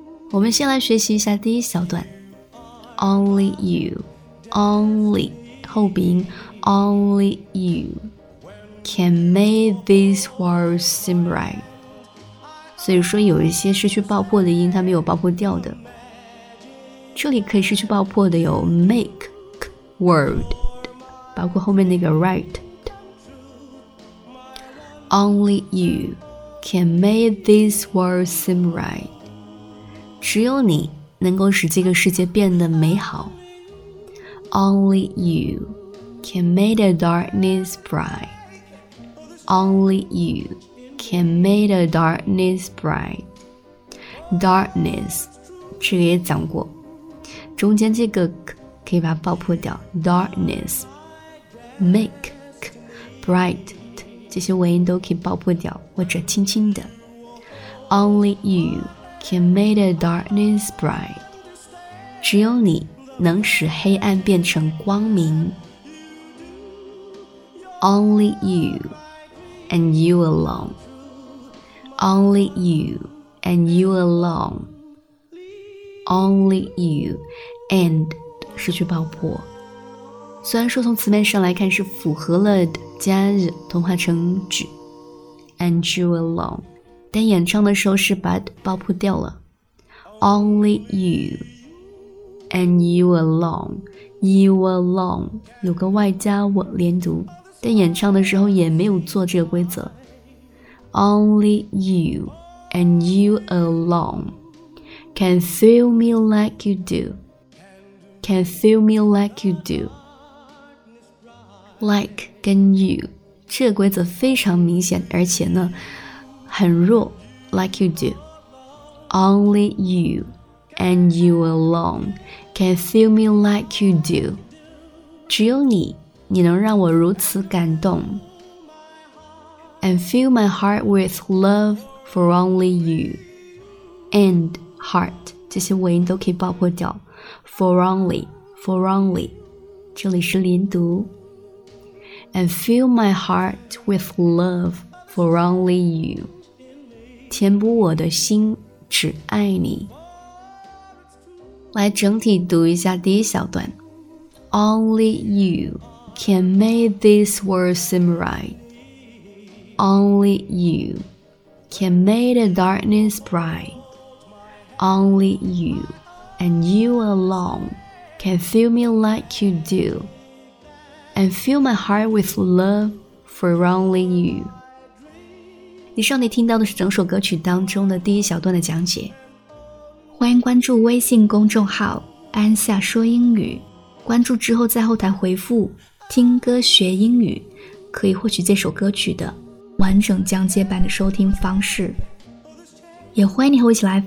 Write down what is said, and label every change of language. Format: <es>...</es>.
<zh>我们先来学习一下第一小段</zh> <en>Only you， Only 后鼻音， Only you can make this world seem right，</en> <zh>所以说有一些失去爆破的音它没有爆破掉的，这里可以失去爆破的有 make word， 包括后面那个 right。</zh> <en>Only you can make this world seem right，</en> <zh>只有你能够使这个世界变得美好。</zh> <en>Only you can make the darkness bright， Only youcan make the darkness bright。</en> <zh>darkness 这个也讲过，中间这个可以把它爆破掉， darkness make bright， 这些尾音都可以爆破掉或者轻轻的。</zh> <en>Only you can make the darkness bright，</en> <zh>只有你能使黑暗变成光明。</zh> <en>Only you and you aloneOnly you and you alone. Only you and</en> <zh>失去爆破，虽然说从词面上来看是符合了加日同化成</zh> <en>ju and you alone，</en> <zh>但演唱的时候是把爆破掉了。</zh> <en>Only you and you alone， you alone</en> <zh>有个外加我连读，但演唱的时候也没有做这个规则。</zh> <en>Only you and you alone can feel me like you do. Can feel me like you do.</en> <zh>Like 跟 you 这个规则非常明显，而且呢很弱。</zh> <en>Like you do. Only you and you alone can feel me like you do.</en> <zh>只有你，你能让我如此感动。</zh> <en>And fill my heart with love for only you.</en> <zh>And heart 这些尾音都可以爆破掉。</zh> <en>For only, for only</en> <zh>这里是连读。</zh> <en>And fill my heart with love for only you.</en> <zh>填补我的心，只爱你。来整体读一下第一小段。</zh> <en>Only you can make this world seem right. Only you can make the darkness bright. Only you and you alone can feel me like you do. And fill my heart with love for only you.</en> <zh>以上你听到的是整首歌曲当中的第一小段的讲解。欢迎关注微信公众号安夏说英语，关注之后在后台回复听歌学英语，可以获取这首歌曲的完整讲解版的收听方式。也欢迎你和我一起来分享那些你喜欢的想要说好的英文歌。</zh>